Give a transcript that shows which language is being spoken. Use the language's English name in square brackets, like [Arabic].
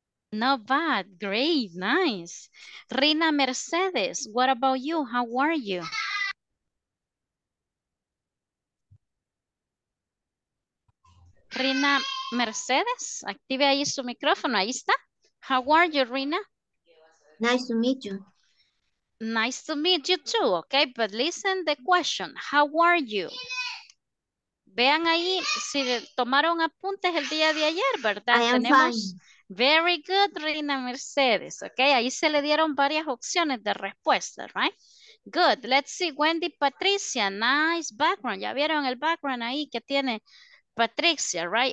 [English] Not bad, great, nice. Rina Mercedes, what about you? How are you? [Spanish] Rina Mercedes, active ahí su micrófono, ahí está. [English] How are you, Rina? Nice to meet you. Nice to meet you too, okay, but listen the question. How are you? [Spanish] Vean ahí si tomaron apuntes el día de ayer, ¿verdad? [English] I am [Spanish] tenemos [English] fine. Very good, Rina Mercedes. [Spanish] Okay, ahí se le dieron varias opciones de respuesta, [English] right? Good. Let's see, Wendy Patricia. Nice background. [Spanish] Ya vieron el background ahí que tiene Patricia, [English] right?